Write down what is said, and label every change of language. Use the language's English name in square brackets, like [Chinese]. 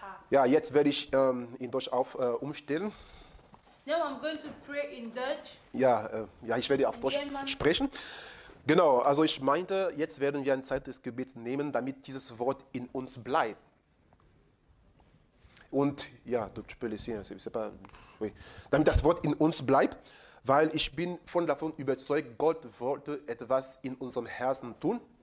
[German] Yeah, jetzt werde ich in Deutsch auf umstellen. [English] Now I'm going to pray in Dutch. [German] Ich werde auf Deutsch sprechen. Genau, also ich meinte, jetzt werden wir eine Zeit des Gebets nehmen, damit dieses Wort in uns bleibt. Und ja, du kannst es sehen, damit das Wort in uns bleibt, weil ich bin von davon überzeugt, Gott wollte etwas in unserem Herzen tun.